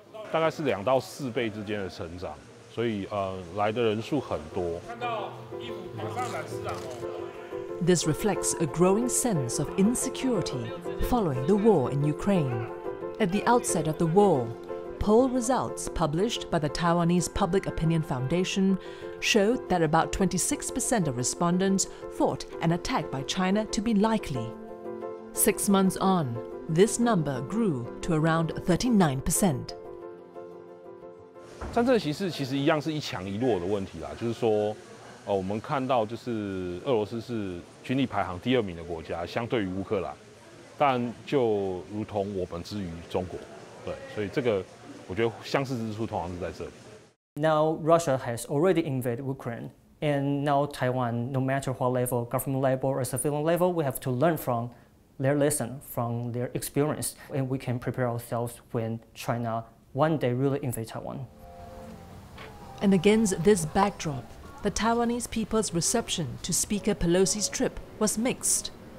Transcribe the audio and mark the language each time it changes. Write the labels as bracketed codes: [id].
[zh] 大概是2到4倍之间的成长，所以来的人数很多。 [en] This reflects a growing sense of insecurity following the war in Ukraine. At the outset of the war, poll results published by the Taiwanese Public Opinion Foundation showed that about 26% of respondents thought an attack by China to be likely. 6 months on, this number grew to around 39%. [zh] 战争形势其实一样是一强一弱的问题啦，就是说，我们看到就是俄罗斯是群体排行第二名的国家，相对于乌克兰，但就如同我们之于中国，对，所以这个我觉得相似之处通常是在这里。Now [en] Russia has already invaded Ukraine, and now Taiwan, no matter what level, government level or civilian level, we have to learn from their lesson, from their experience, and we can prepare ourselves when China one day really invades Taiwan. And against this backdrop, the Taiwanese people's reception to Speaker Pelosi's trip was mixed.